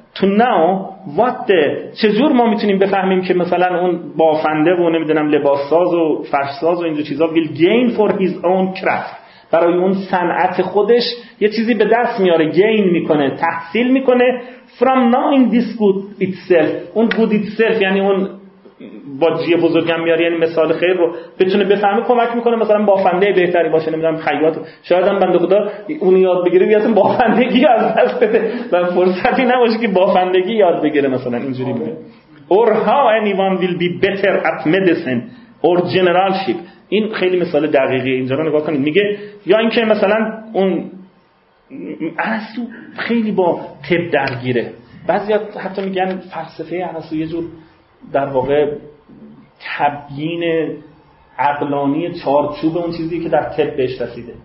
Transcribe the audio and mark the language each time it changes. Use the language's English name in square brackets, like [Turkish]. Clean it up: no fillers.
[English] تو now what [Persian] چجور ما میتونیم بفهمیم که مثلا اون بافنده و نمیدونم لباس ساز و فرش ساز و این چیزا [English] will gain for his own craft, [Persian] برای اون صنعت خودش یه چیزی به دست میاره، گین میکنه، تحصیل میکنه [English] from knowing this good itself, [Persian] اون گود ایتسلف یعنی اون با جیه بزرگم میاره، یعنی مثال خیر رو بتونه بفهمه، کمک میکنه مثلا بافنده بهتری باشه، نمیدونم خیاط، شاید هم بنده خدا اون یاد بگیره بیاد بافندگی از دست بده و فرصتی نباشه که بافندگی یاد بگیره مثلا اینجوری بگه. [English] Or how anyone will be better at medicine or generalship. [Persian] این خیلی مثال دقیقیه، اینجا رو نگاه کنید. میگه یا اینکه مثلا اون ارسطو خیلی با طب درگیره، بعضی حتی میگن فلسفه ارسطو یه جور در واقع تبیین عقلانی چارچوب اون چیزی که در طب بهش رسیده.